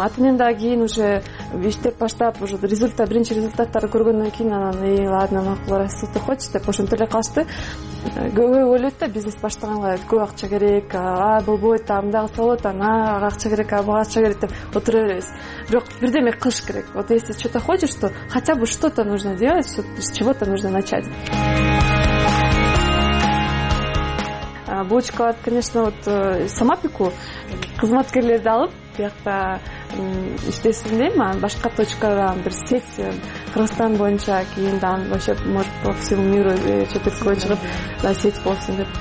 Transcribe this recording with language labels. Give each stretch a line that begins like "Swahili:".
Kyrgyz: Ата энем дагы кийин уже иштеп баштап, уже результат, биринчи результаттарды көргөндөн кийин анан ладно, макул расы деп койчу деп ошентип эле калышты. Көбү ойлойт да, бизнес баштаганга көп акча керек, болбойт, мындагысы болот, ага акча керек, буга акча керек деп отура беребиз. Бирок бирдеме кылыш керек.
Russian: Вот если что-то хочешь, то хотя бы что-то нужно делать, с чего-то нужно начать.
Kyrgyz: Булочкаларды, конечно,
Russian: вот сама пеку,
Kyrgyz: кызматкерлерди алып, биякта иштесин дейм, анан башка точкадан бир сеть Кыргызстан боюнча, кийин да
Russian: вообще может по всему миру
Kyrgyz: четырко чыгып сеть болсун деп.